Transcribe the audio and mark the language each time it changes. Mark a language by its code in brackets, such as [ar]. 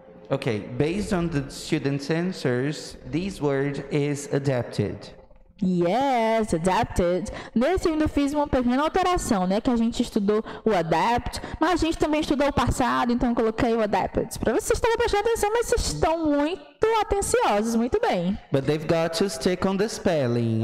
[en] Okay, based on the student's answers, this word is adapted. Yes, adapted. [pt] Nesse eu ainda fiz uma pequena alteração, né? Que a gente estudou o adapt, mas a gente também estudou o passado, então eu coloquei o adapted. Para vocês estarem prestando atenção, mas vocês estão muito atenciosos, muito bem. [en] But they've got to stick on the spelling.